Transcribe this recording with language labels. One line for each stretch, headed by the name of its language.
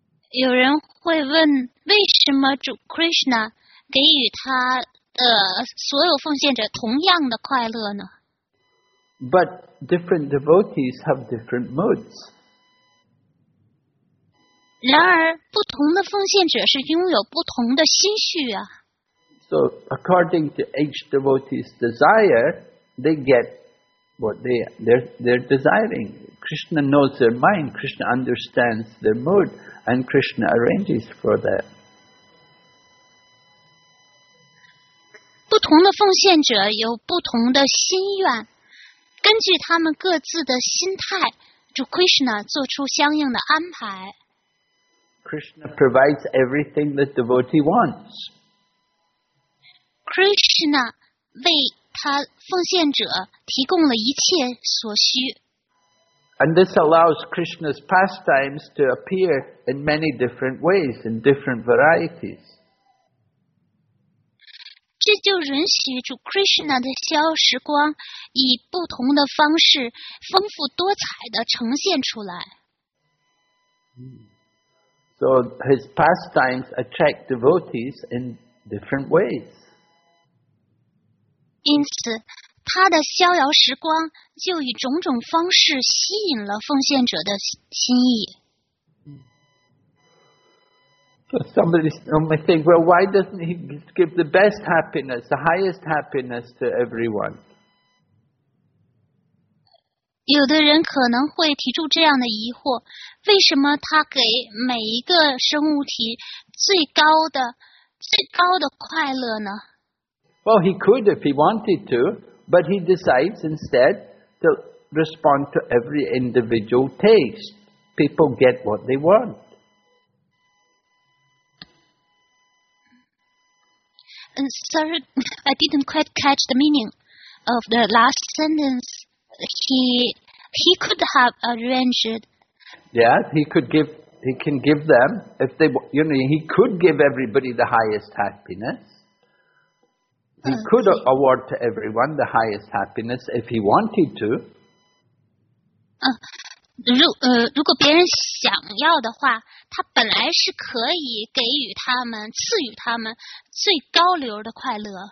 Chinese: 有人会问，为什么主 Krishna 给予他的所有奉献者同样的快乐呢？
English: But different devotees have different moods.
Chinese: 然而，不同的奉献者是拥有不同的心绪啊。
English: So, according to each devotee's desire, they get what they're desiring. Krishna knows their mind, Krishna understands their mood, and Krishna arranges for that.
Chinese: 不同的奉献者有不同的心愿，根据他们各自的心态，主 Krishna 做出相应的安排。
English: Krishna provides everything the devotee wants.
Chinese: Krishna 为他奉献者提供了一切所需。
English: And this allows Krishna's pastimes to appear in many different ways, in different varieties.
Chinese: 这就允许主 Krishna 的消时光以不同的方式丰富多彩地呈现出来。
English: So his pastimes attract devotees in different ways.
Chinese: 因此，他的逍遥时光就以种种方式吸引了奉献者的心意。
English: So somebody may think, well, why doesn't he give the best happiness, the highest happiness to everyone?
Chinese: 有的人可能会提出这样的疑惑：为什么他给每一个生物体最高的快乐呢？
English: Well, he could if he wanted to, but he decides instead to respond to every individual taste. People get what they want. 嗯 ，sorry, I didn't quite catch the meaning of the last sentence. He could have arranged. Yeah, he can give them if they, you know, he could give everybody the highest happiness. He could award to everyone the highest happiness if he wanted to.
Chinese: 如果别人想要的话，他本来是可以给予他们、赐予他们最高流的快乐。